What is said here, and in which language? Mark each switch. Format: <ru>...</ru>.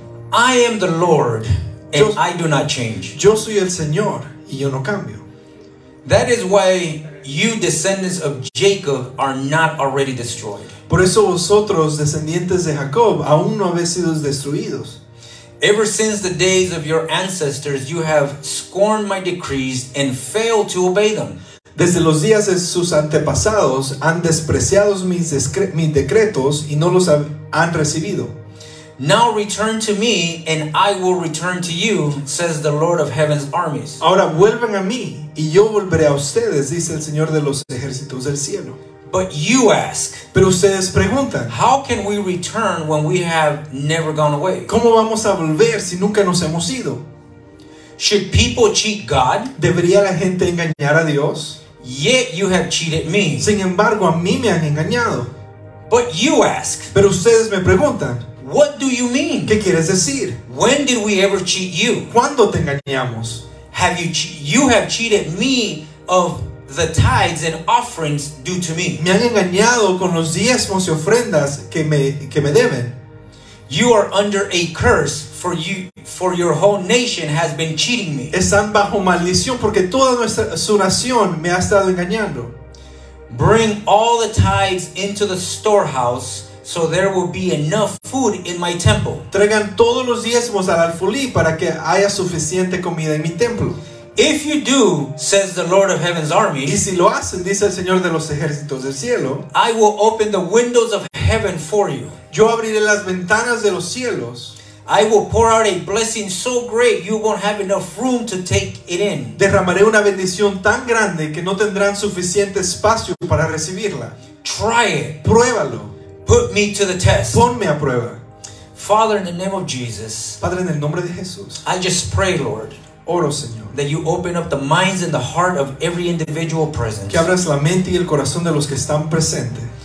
<en>I am the Lord, and I do not change.</en> <es>Yo soy el Señor, y yo no cambio.</es> <en>That is why you descendants of Jacob are not already destroyed.</en> <es>Por eso vosotros, descendientes de Jacob, aún no habéis sido destruidos.</es> <en>Ever since the days of your ancestors, you have scorned my decrees and failed to obey them.</en> <es>Desde los días de sus antepasados, han despreciado mis decretos y no los han recibido.</es> <en>Now return to me, and I will return to you, says the Lord of Heaven's armies.</en> <es>Ahora vuelvan a mí, y yo volveré a ustedes, dice el Señor de los ejércitos del cielo.</es> <en>But you ask.</en> <es>Pero ustedes preguntan.</es> <en>How can we return when we have never gone away?</en> <es>¿Cómo vamos a volver si nunca nos hemos ido?</es> <en>Should people cheat God?</en> <es>¿Debería la gente engañar a Dios?</es> <en>Yet you have cheated me.</en> <es>Sin embargo, a mí me han engañado.</es> <en>But you ask.</en> <es>Pero ustedes me preguntan.</es> <en>What do you mean?</en> <es>¿Qué quieres decir?</es> <en>When did we ever cheat you?</en> <es>¿Cuándo te engañamos?</es> <en>You have cheated me of the tithes and offerings due to me.</en> <es>Me han engañado con los diezmos y ofrendas que me deben.</es> <en>You are under a curse for your whole nation has been cheating me.</en> <es>Están bajo maldición porque toda su nación me ha estado engañando.</es> <en>Bring all the tithes into the storehouse. So there will be enough food in my temple.</en> <es>Traigan todos los diezmos al alfolí para que haya suficiente comida en mi templo.</es> <en>If you do, says the Lord of Heaven's armies.</en> <es>Y si lo hacen, dice el Señor de los ejércitos del cielo.</es> <en>I will open the windows of heaven for you.</en> <es>Yo abriré las ventanas de los cielos.</es> <en>I will pour out a blessing so great you won't have enough room to take it in.</en> <es>Derramaré una bendición tan grande que no tendrán suficiente espacio para recibirla.</es> <en>Try it.</en> <es>Pruébalo.</es> <en>Put me to the test.</en> <es>Ponme a prueba.</es> <en>Father, in the name of Jesus.</en> <es>Padre, en el nombre de Jesús.</es> <en>I just pray, Lord.</en> <es>Oro, Señor.</es> <en>That you open up the minds and the heart of every individual present.</en> <es>Que abras la mente y el corazón de los que están presentes.</es>